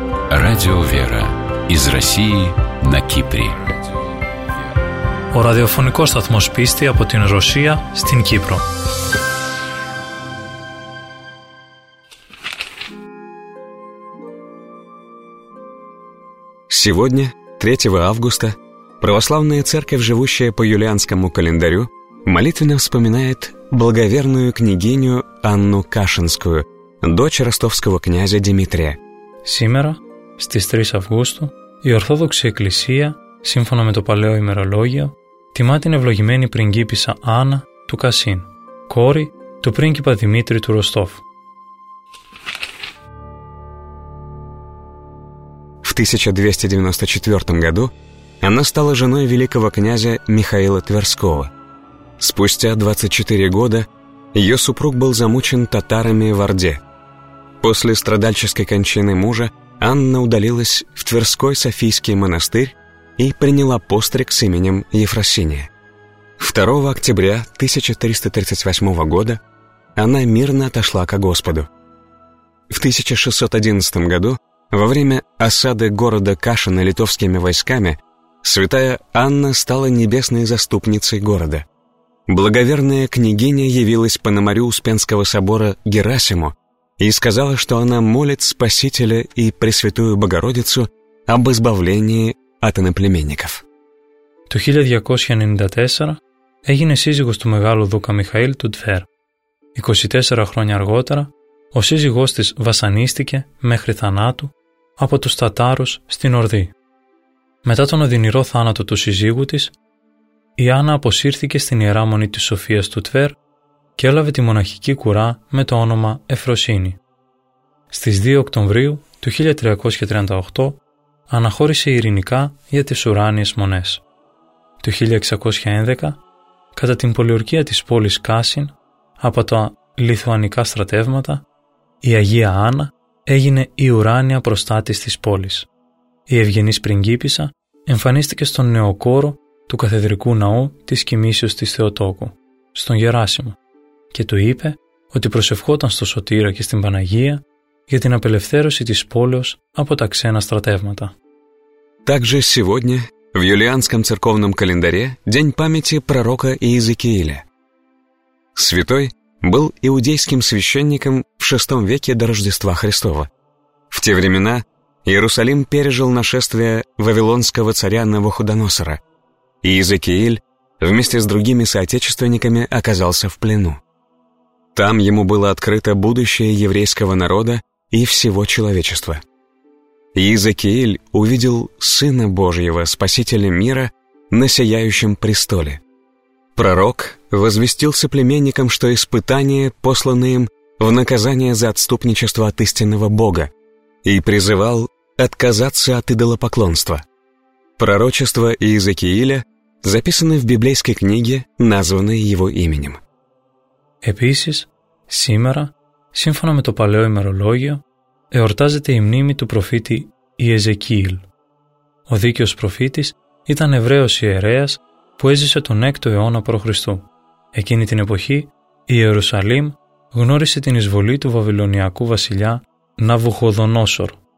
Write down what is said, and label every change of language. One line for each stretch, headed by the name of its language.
Russian: Радио «Вера» из России на Кипре.
Greek: Ο ραδιοφωνικός σταθμός πίστη από την Ρωσία στην Κύπρο.
Russian: Сегодня, 3 августа, православная церковь, живущая по юлианскому календарю, молитвенно вспоминает благоверную княгиню Анну Кашинскую, дочь ростовского князя Дмитрия. Сегодня,
Greek: στις 3 Αυγούστου, η Ορθόδοξη Εκκλησία, σύμφωνα με το παλαιό ημερολόγιο, τιμά την ευλογημένη πριγκίπισσα Άννα του Κασίν, κόρη του πρίγκιπα Δημήτρη του Ροστόφ.
Russian: В 1294 году она стала женой великого князя Михаила Тверского. Спустя 24 года ее супруг был замучен татарами в Орде. После страдальческой кончины мужа Анна удалилась в Тверской Софийский монастырь и приняла постриг с именем Ефросиния. 2 октября 1338 года она мирно отошла ко Господу. В 1611 году во время осады города Кашина литовскими войсками святая Анна стала небесной заступницей города. Благоверная княгиня явилась пономарю Успенского собора Герасиму и сказала, что она молит Спасителя и Пресвятую Богородицу об избавлении от иноплеменников.
Greek: Το 1294 έγινε σύζυγος του μεγάλου δούκα Μιχαήλ του Τφέρ. 24 χρόνια αργότερα ο σύζυγός της βασανίστηκε μέχρι θανάτου από τους Τατάρους στην Ορδή. Μετά τον οδυνηρό θάνατο του σύζυγου της, η Άννα αποσύρθηκε στην Ιερά Μονή της Σοφίας του Τβέρ και έλαβε τη μοναχική κουρά με το όνομα Εφροσύνη. Στις 2 Οκτωβρίου του 1338 αναχώρησε ειρηνικά για τις Ουράνιες Μονές. Το 1611, κατά την πολιορκία της πόλης Κάσιν από τα λιθουανικά στρατεύματα, η Αγία Άννα έγινε η ουράνια προστάτης της πόλης. Η ευγενής πριγκίπισσα εμφανίστηκε στον νεοκόρο του καθεδρικού ναού της κοιμήσεως της Θεοτόκου, στον Γεράσιμο, και του είπε ότι προσευχόταν στο Σωτήρα και στην Παναγία για την απελευθέρωση της πόλεως από τα ξένα στρατεύματα.
Russian: Также сегодня, в юлианском церковном календаре, день памяти пророка Иезекииля. Святой был иудейским священником в VI веке до Рождества Христова. В те времена Иерусалим пережил нашествие вавилонского царя Навуходоносора. Иезекииль вместе с другими соотечественниками оказался в плену. Там ему было открыто будущее еврейского народа и всего человечества. Иезекииль увидел Сына Божьего, Спасителя мира, на сияющем престоле. Пророк возвестил соплеменникам, что испытания посланы им в наказание за отступничество от истинного Бога и призывал отказаться от идолопоклонства. Пророчество Иезекииля записано в библейской книге, названной его именем.
Greek: Επίσης,
Russian: сегодня,
Greek: σύμφωνα με το παλαιό ημερολόγιο, εορτάζεται η μνήμη του προφήτη Ιεζεκίηλ. Ο δίκαιος προφήτης ήταν Εβραίος ιερέας που έζησε τον 6ο αιώνα π.Χ. Εκείνη την εποχή, η Ιερουσαλήμ γνώρισε την εισβολή του βαβυλωνιακού βασιλιά Ναβουχοδονόσορ.